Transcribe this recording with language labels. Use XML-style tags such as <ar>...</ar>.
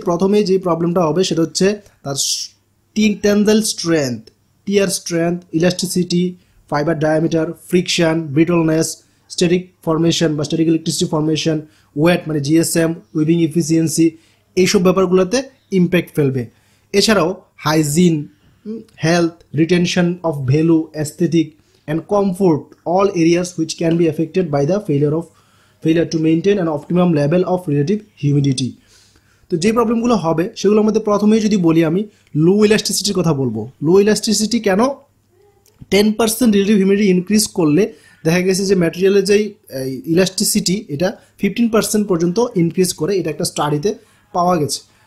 <bn>প্রথমে যে প্রবলেমটা হবে সেটা হচ্ছে তার টেনজাইল স্ট্রেংথ, টিয়ার strength, elasticity, fibre diameter, friction, ব্রিটলনেস, static formation বা স্ট্যাটিক ইলেকট্রিসিটি ফরমেশন, ওয়েট মানে জিএসএম, উইভিং ইফিসিয়েন্সি, এইসব ব্যাপারগুলোতে ইম্প্যাক্ট ফেলবে। এছাড়াও hygiene, health, retention of value, aesthetic,</bn> <en>and comfort, all areas which can be affected by the failure to maintain an optimum level of relative humidity.</en> <bn>তো যে প্রবলেমগুলো হবে সেগুলোর মধ্যে প্রথমেই যদি বলি আমি লো ইলাস্টিসিটির কথা বলবো। লো ইলাস্টিসিটি কেন? 10% রিলেটিভ হিউমিডিটি ইনক্রিজ করলে দেখা গেছে যে ম্যাটেরিয়ালের যে ইলাস্টিসিটি এটা 15% পর্যন্ত ইনক্রিজ করে, এটা একটা স্টাডিতে পাওয়া গেছে।</bn>